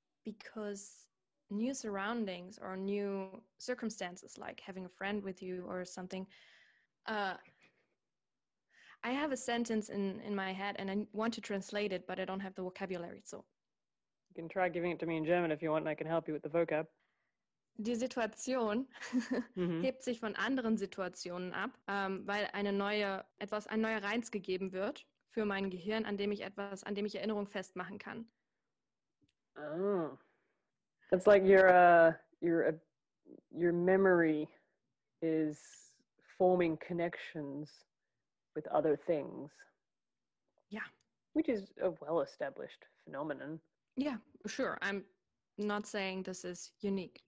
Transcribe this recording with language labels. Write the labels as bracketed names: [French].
[English] Because new surroundings or new circumstances, like having a friend with you or something. I have a sentence in my head and I want to translate it, but I don't have the vocabulary, so you can try giving it to me in German if you want, and I can help you with the vocab. [German] die Situation hebt sich von anderen Situationen ab, weil ein neuer Reiz gegeben wird für mein Gehirn, an dem ich Erinnerung festmachen kann. [English] Oh, it's like your memory is forming connections with other things. Yeah. Which is a well-established phenomenon. Yeah, sure. I'm not saying this is unique.